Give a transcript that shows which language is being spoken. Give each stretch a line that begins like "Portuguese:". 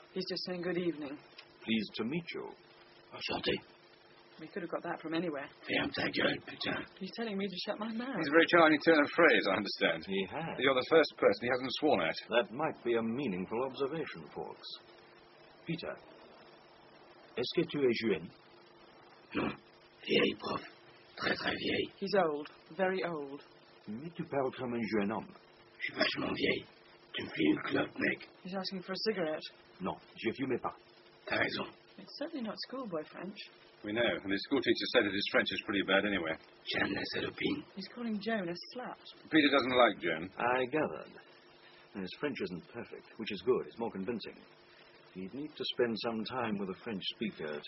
English: He's just saying good evening. Pleased to meet you.
French: Enchanté.
English: We could have got that from anywhere. He's telling me to shut my mouth. He's a very charming turn of phrase, I understand. He has. You're the first person he hasn't sworn at. That might be a meaningful observation, Fawkes.
French: Peter, est-ce que tu es jeune? Non. Vieille, prof. Très, très vieille.
English: He's old. Very old.
French: Mais tu parles comme un jeune homme. Je suis vachement vieille. Tu me fais une clope, mec.
English: He's asking for a cigarette.
French: Non, je fume pas. T'as raison.
English: It's certainly not schoolboy French. We know, and his schoolteacher said that his French is pretty bad anyway.
French: Jeanne la salopine.
English: He's calling Joan a slut. Peter doesn't like Joan. I gathered. And his French isn't perfect, which is good. It's more convincing. He'd need to spend some time with a French speaker to...